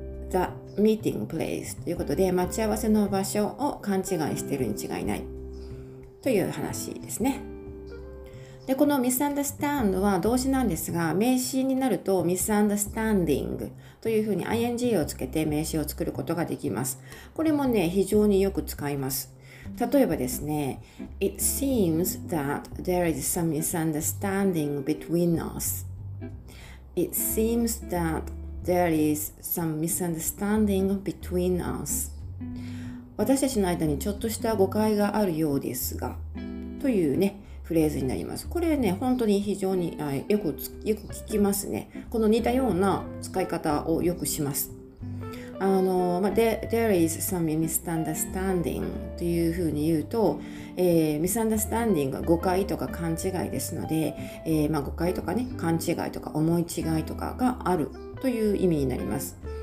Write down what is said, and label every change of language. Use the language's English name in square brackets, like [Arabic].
[English] The meeting place [Japanese] ということで、待ち合わせの場所を勘違いしているに違いない。という話ですね。で、この misunderstand は動詞なんですが、名詞になると misunderstanding というふうに ing をつけて名詞を作ることができます。これもね、非常によく使います。例えばですね、 [English] It seems that there is some misunderstanding between us. It seems that there is some misunderstanding between us. [Japanese] 私たちの間にちょっとした誤解があるようですが、というね、フレーズになります。これね、本当に非常によく聞きますね。この似たような使い方をよくします。 [English] There is some misunderstanding [Japanese] というふうに言うと、misunderstanding は誤解とか勘違いですので、誤解とかね、勘違いとか思い違いとかがあるという意味になります。